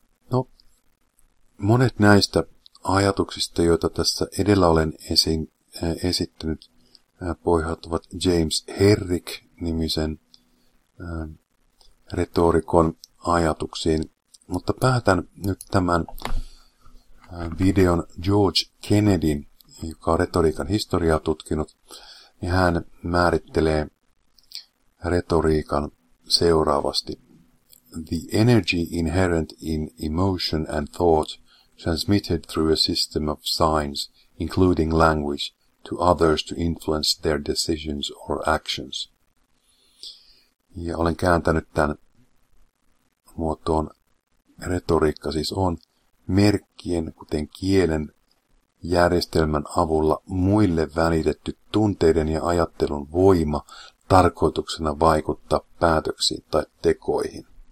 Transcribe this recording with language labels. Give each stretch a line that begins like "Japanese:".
Finnish: No, monet näistä ajatuksista, joita tässä edellä olen esittänyt, pohjautuvat James Herrick-nimisen retorikon ajatuksiin, mutta päätän nyt tämän videon George Kennedyn, joka on retoriikan historiaa tutkinut, niin hän määrittelee retoriikan seuraavasti.
English: The energy inherent in emotion and thought transmitted through a system of signs, including language, to others to influence their decisions or actions.
Finnish: Ja olen kääntänyt tämän muotoon. Retoriikka siis on merkkien, kuten kielen, järjestelmän avulla muille välitetty tunteiden ja ajattelun voima tarkoituksena vaikuttaa päätöksiin tai tekoihin.